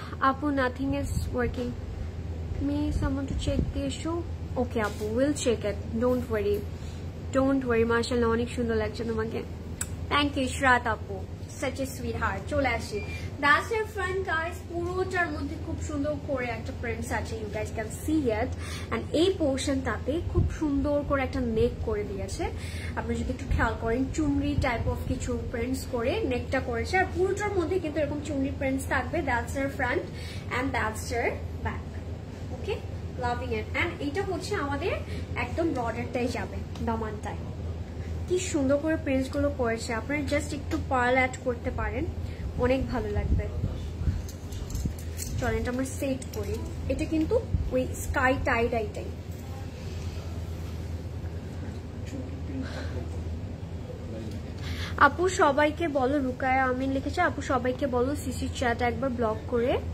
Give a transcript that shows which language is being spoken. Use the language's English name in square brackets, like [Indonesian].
[English] আপু nothing is working, may summon to check the issue, okay আপু will check it, don't worry, don't worry, Marshal [Bangla] অনেক সুন্দর লাগছে তোমাকে, [English] Thank you শ্রাত আপু, such a sweetheart. [Bangla] চলে আসি, [English] that's her friend guys. [Bangla] পুরোটার মধ্যে খুব সুন্দর করে একটা প্রিন্টস আছে, [English] you guys can see it. [Bangla] And এই পোর্শনটাতে খুব সুন্দর করে একটা নেক করে দিয়েছে, আপনি যদি একটু খেয়াল করেন, চুমড়ি টাইপ অফ কিছু প্রিন্টস করে নেকটা করেছে, আর পুরোটার মধ্যে কিন্তু এরকম চুমড়ি প্রিন্টস থাকবে. [English] That's her front and that's her back. Okay, loving it. [Bangla] And এটা হচ্ছে আমাদের একদম বর্ডারটাই যাবে, দমানটাই. কি সুন্দর করে প্রিন্টস গুলো করেছে, আপনারা জাস্ট একটু পার্ল অ্যাড করতে পারেন, অনেক ভালো লাগবে. চলেন আমরা সেট করি. এটা কিন্তু ওই স্কাই টাই ডাই টাই আপু সবাইকে বলো, রুকায়া আমিন লিখেছে, আপু সবাইকে বলো সিসি চ্যাট একবার ব্লক করে.